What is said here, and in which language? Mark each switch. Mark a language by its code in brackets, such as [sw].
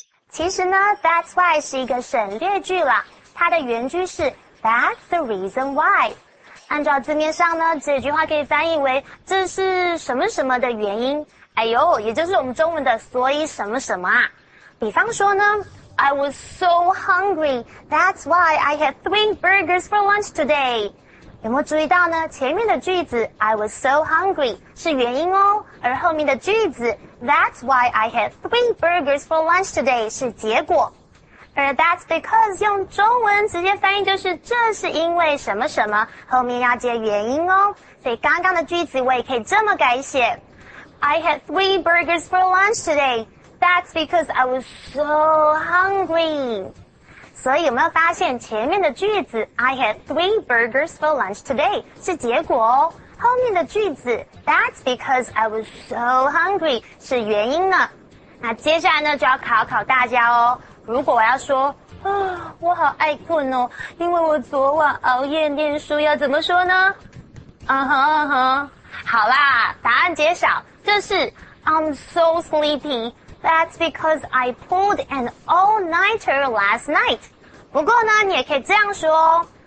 [zh] 其实呢 ， [en] That's why [zh] 是一个省略句啦，它的原句是 [en] That's the reason why。 [zh] 按照字面上呢，这句话可以翻译为这是什么什么的原因。哎呦，也就是我们中文的所以什么什么啊。比方说呢。 [en] I was so hungry. That's why I had 3 burgers for lunch today. [zh] 有没有注意到呢？前面的句子 [en] I was so hungry [zh] 是原因哦，而后面的句子 [en] That's why I had 3 burgers for lunch today [zh] 是结果。而 [en] That's because [zh] 用中文直接翻译就是这是因为什么什么，后面要接原因哦。所以刚刚的句子我也可以这么改写 ： [en] I had 3 burgers for lunch today. That's because I was so hungry. [zh] 所以有没有发现前面的句子 [en] I had 3 burgers for lunch today [zh] 是结果哦，后面的句子 [en] That's because I was so hungry [zh] 是原因呢。那接下来呢就要考考大家哦，如果我要说我好爱困哦，因为我昨晚熬夜念书，要怎么说呢？好啦，答案揭晓，这是 [en] I'm so sleepyThat's because I pulled an all-nighter last night. [zh] 不过呢，你也可以这样说哦。